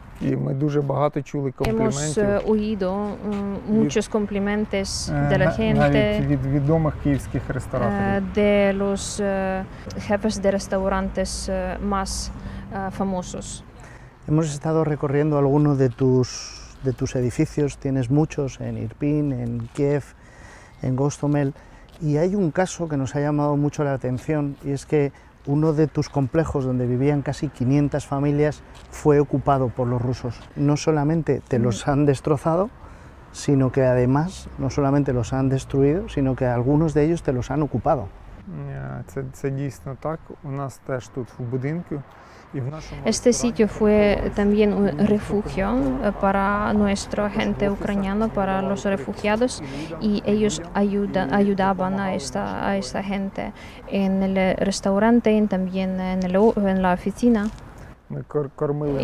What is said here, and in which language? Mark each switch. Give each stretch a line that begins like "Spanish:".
Ukrainian: И ми дуже багато чули компліментів.
Spanish: Hemos oído muchos complimentos de la gente.
Ukrainian: Від відомих київських рестораторів.
Spanish: De los jefes de restaurantes más famosos. Hemos estado recorriendo algunos de tus edificios, tienes muchos en Irpin, en Kiev, en Gostomel, y hay un caso que nos ha llamado mucho la atención, y es que uno de tus complejos donde vivían casi 500 familias fue ocupado por los rusos. No solamente te los han destrozado, sino que además no solamente los han destruido, sino que algunos de ellos te los han ocupado.
Ukrainian: Це дійсно так. У нас теж тут в будинку і в нашому
Spanish: Este sitio fue también un refugio para nuestra gente ucraniana, para los refugiados, y ellos ayudaban a esta gente en el restaurante y también en la oficina.
Ukrainian: Ми кормили